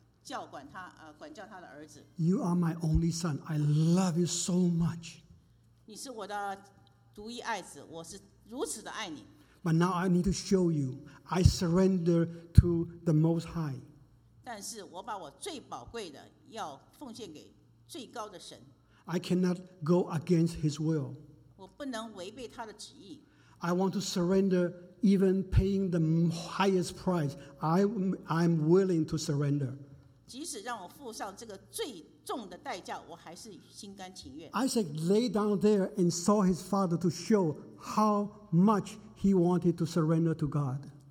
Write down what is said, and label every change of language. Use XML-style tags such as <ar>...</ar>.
<zh>然后我们就知道亚伯拉罕的确有身教来教管他，管教他的儿子。</zh> <en>You are my only son. I love you so much.</en> <zh>你是我的独一爱子，我是如此的爱你。</zh> <en>But now I need to show you, I surrender to the Most High.</en> <zh>但是我把我最宝贵的要奉献给最高的神。</zh> <en>I cannot go against His will.</en> <zh>我不能违背他的旨意。</zh> <en>I want to surrender, even paying the highest price. I'm willing to surrender.</en> <zh>即使让我付上这个最重的代价，我还是心甘情愿。</zh> <en>Isaac lay down there and saw his father to show how much he wanted to surrender to God.</en>